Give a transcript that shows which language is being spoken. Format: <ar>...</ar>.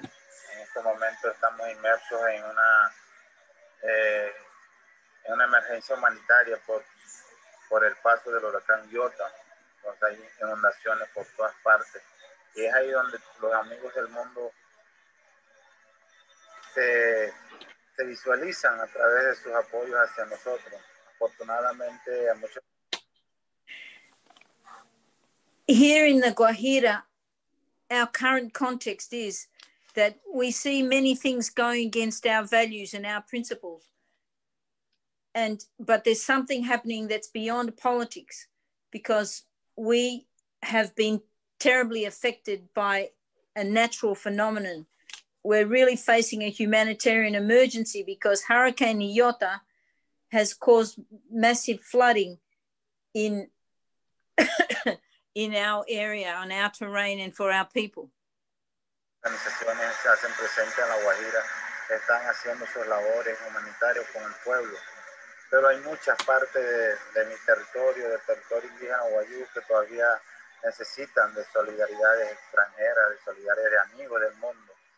<es>En este momento estamos inmersos en una emergencia humanitaria por el paso del huracán Iota. Entonces hay inundaciones por todas partes. Y es ahí donde los amigos del mundo se visualizan a través de sus apoyos hacia nosotros. Afortunadamente, a muchos.</es> <en>Here in the Guajira, our current context is that we see many things going against our values and our principles. But there's something happening that's beyond politics, because we have been terribly affected by a natural phenomenon. We're really facing a humanitarian emergency because Hurricane Iota has caused massive flooding in in our area, on our terrain, and for our people.</en> <es>Organizaciones se hacen presente en La Guajira, están haciendo sus labores humanitarias con el pueblo, pero hay muchas partes de mi territorio, del territorio indígena guayú, que todavía necesitan de solidaridades extranjeras, de solidaridades de amigos del mundo.</es>